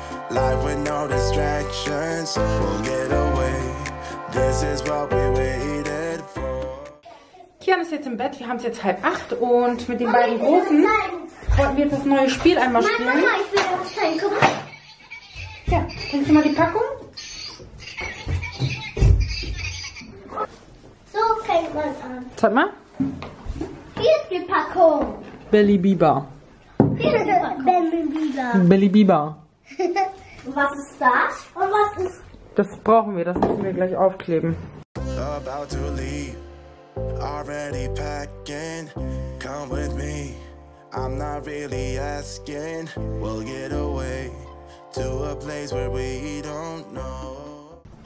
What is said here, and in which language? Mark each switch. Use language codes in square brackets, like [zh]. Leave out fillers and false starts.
[en] Life with no distractions, we'll get away. This is what we waited for. [de] Kian ist jetzt im Bett, wir haben es jetzt 7:30 und mit den beiden Großen wollten wir jetzt das neue Spiel einmal spielen. Mama, ich will das zeigen, guck mal. Ja, kennst du mal die Packung? So fängt man an. Zeig mal. Hier ist die Packung. Billy Bieber. Hier ist die Packung. Billy Bieber. Billy Bieber. Was ist das? Das brauchen wir, das müssen wir gleich aufkleben. [en] About to leave, already packing. Come with me, I'm not really asking. We'll get away to a place where we don't know.